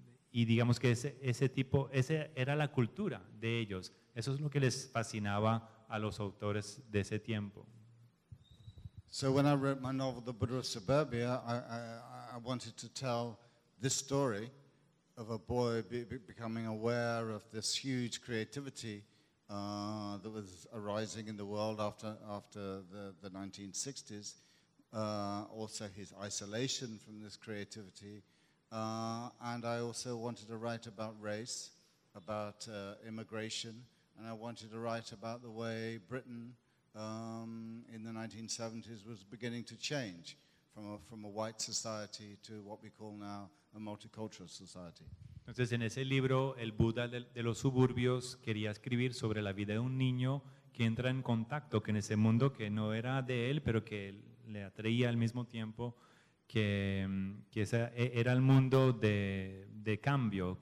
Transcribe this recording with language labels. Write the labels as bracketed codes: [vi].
[es] y digamos que ese tipo, ese era la cultura de ellos. Eso es lo que les fascinaba a los autores de ese tiempo. [en] So when I wrote my novel The Buddha of Suburbia, I wanted to tell this story of a boy becoming aware of this huge creativity that was arising in the world after the 1960s, also his isolation from this creativity, and I also wanted to write about race, about immigration, and I wanted to write about the way Britain in the 1970s was beginning to change from a white society to what we call now a multicultural society. [es] Entonces, en ese libro, El Buda de los Suburbios, quería escribir sobre la vida de un niño que entra en contacto con ese mundo que no era de él, pero que le atraía al mismo tiempo, que ese era el mundo de cambio.